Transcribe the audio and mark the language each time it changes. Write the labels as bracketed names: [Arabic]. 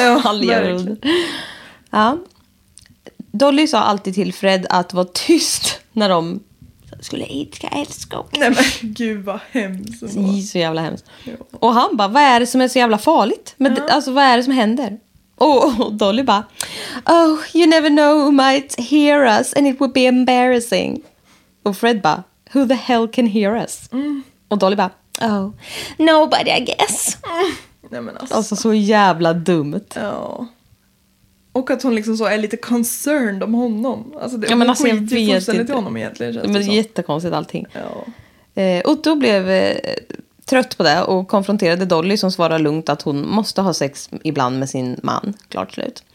[Swedish] Ja, verkligen. Ja. Dolly sa alltid till Fred att vara tyst när de skulle idka älskog. Nej, men gud vad hemskt. Så jävla hemskt. Ja. Och han bara, vad är det som är så jävla farligt? Men ja, alltså, vad är det som händer? Och Dolly bara, [English] oh, you never know who might hear us and it would be embarrassing. [Swedish] Och Fred bara, [English] who the hell can hear us? Mm. [Swedish] Och Dolly bara, [English] oh, nobody I guess. [Swedish] Mm. Nej, men alltså så jävla dumt. Ja. Och att hon liksom så är lite concerned om honom. Alltså det, ja, men alltså, skiter ju fullständigt till honom egentligen. Men det är jättekonstigt allting. Ja. Otto blev trött på det och konfronterade Dolly som svarade lugnt att hon måste ha sex ibland med sin man, klart slut.